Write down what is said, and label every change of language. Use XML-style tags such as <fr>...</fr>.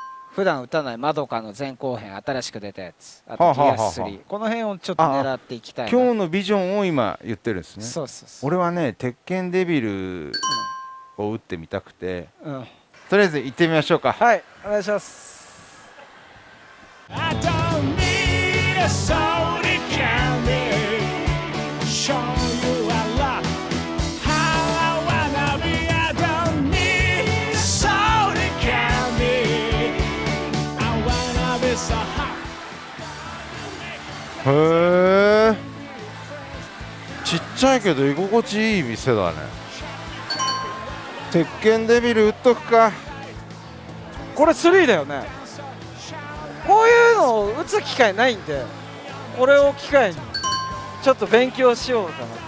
<ja>普段打たないマドカの前後編、新しく出たやつ、あとギアス3、はあはあはあ、この辺をちょっと狙っていきたい。今日のビジョンを今言ってるんですね。そうそうそう。俺はね鉄拳デビルを打ってみたくて、うん、とりあえず行ってみましょうか。はい、お願いします。</ja> <en>I don't need a sorry candy. Show you a lot. How I wanna be. I don't need sorry candy. I wanna be so hot.</en> <ja>へえ。ちっちゃいけど居心地いい店だね。鉄拳デビル打っとくか。これ3だよね。こういうのを打つ機会ないんで、これを機会にちょっと勉強しようかな。</ja>